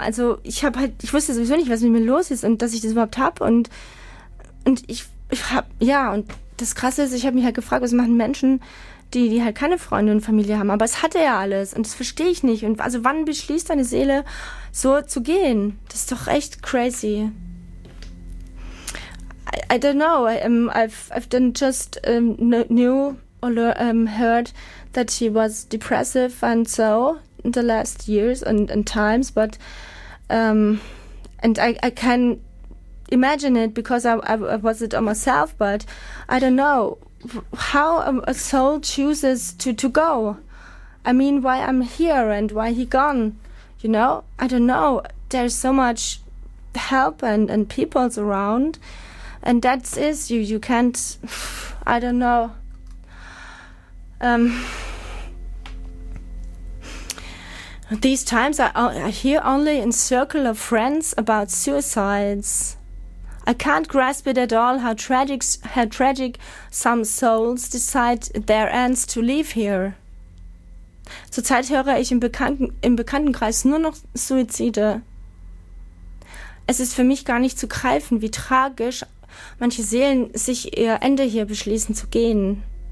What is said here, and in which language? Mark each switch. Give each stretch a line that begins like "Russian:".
German: Also ich habe halt, ich wusste sowieso nicht, was mit mir los ist und dass ich das überhaupt habe. Und ich habe, und das Krasse ist, ich habe mich halt gefragt, was machen Menschen, die halt keine Freunde und Familie haben. Aber es hatte ja alles und das verstehe ich nicht. Und also wann beschließt deine Seele, so zu gehen? Das ist doch echt crazy.
English: I don't know. I've then just knew or heard that she was depressive and so in the last years and times. But and I can imagine it because I was it on myself. But I don't know. How a soul chooses to go. I mean, why I'm here and why he gone, you know? I don't know. There's so much help and people around. And that is, you can't, I don't know. These times I hear only in circle of friends about suicides. I can't grasp it at all how tragic some souls decide their ends to leave here.
German: Zurzeit höre ich im Bekanntenkreis nur noch Suizide. Es ist für mich gar nicht zu greifen, wie tragisch manche Seelen sich ihr Ende hier beschließen zu gehen.